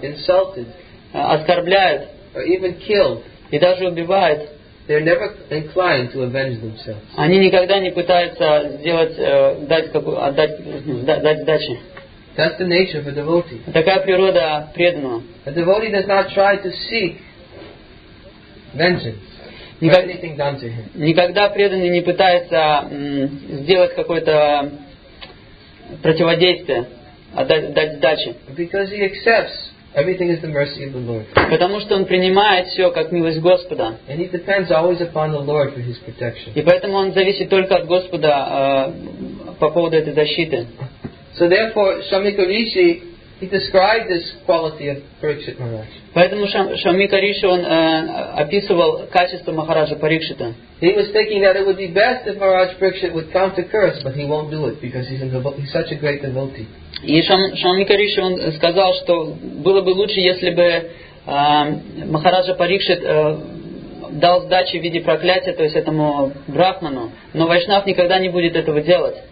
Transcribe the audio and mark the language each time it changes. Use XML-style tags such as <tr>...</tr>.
<en>insulted,</en> <ru>оскорбляют,</ru> <en>or even killed,</en> <ru>и даже убивают,</ru> <en>they're never inclined to avenge themselves.</en> <ru>Они никогда не пытаются сделать, дать сдачи.</ru> <en>That's the nature of a devotee.</en> <ru>Такая природа преданного.</ru> <en>A devotee does not try to seek vengeance.</en> <ru>Никогда преданный не пытается сделать какое-то противодействие, дать сдачи.</ru> <en>Because he accepts Everything is the mercy of the Lord.</en> <ru>Потому что он принимает все как милость Господа.</ru> <en>And he depends always upon the Lord for his protection.</en> <ru>И поэтому он зависит только от Господа по поводу этой защиты.</ru> <en>So therefore, Swami Kavishi, he described this quality of Parikshit Maharaj.</en> <ru>Поэтому Шами Кариши он описывал качество Махараджа Парикшита.</ru> <en>He was thinking that it would be best if Maharaj Parikshit would come to curse, but he won't do it because he's such a great devotee.</en> <ru>И Шами Кариши он сказал, что было бы лучше, если бы Махараджа Парикшит дал сдачи в виде проклятия, то есть этому брахману, но Вайшнав никогда не будет этого делать.</ru>